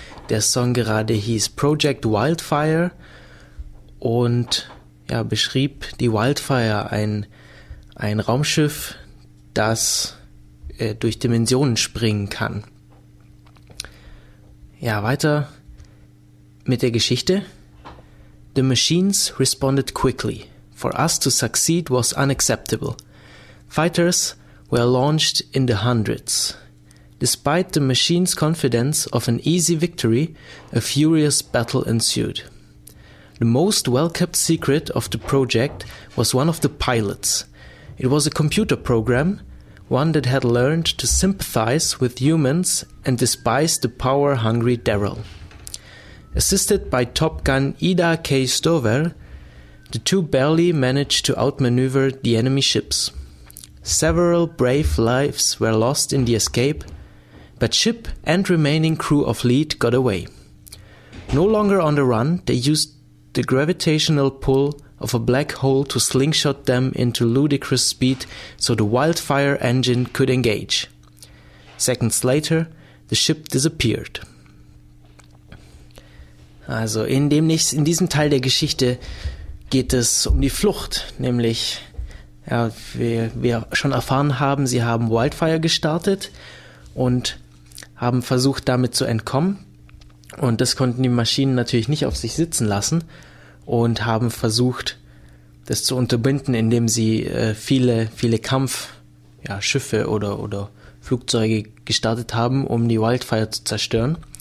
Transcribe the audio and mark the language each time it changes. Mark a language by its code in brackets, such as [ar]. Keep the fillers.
[de] Der Song gerade hieß Project Wildfire und ja, beschrieb die Wildfire, ein, ein Raumschiff, das äh, durch Dimensionen springen kann. Ja, weiter mit der Geschichte. [en] The machines responded quickly. For us to succeed was unacceptable. Fighters were launched in the hundreds. Despite the machine's confidence of an easy victory, a furious battle ensued. The most well kept secret of the project was one of the pilots. It was a computer program, one that had learned to sympathize with humans and despise the power hungry Daryl. Assisted by Top Gun Ida K. Stover, the two barely managed to outmaneuver the enemy ships. Several brave lives were lost in the escape, but ship and remaining crew of Lead got away. No longer on the run, they used the gravitational pull of a black hole to slingshot them into ludicrous speed so the wildfire engine could engage. Seconds later, the ship disappeared. [de] Also in, dem, nächst- in diesem Teil der Geschichte geht es um die Flucht, nämlich ja, wir, wir schon erfahren haben, sie haben Wildfire gestartet und haben versucht, damit zu entkommen. Und das konnten die Maschinen natürlich nicht auf sich sitzen lassen und haben versucht, das zu unterbinden, indem sie äh, viele, viele Kampfschiffe ja, Schiffe oder, oder Flugzeuge gestartet haben, um die Wildfire zu zerstören.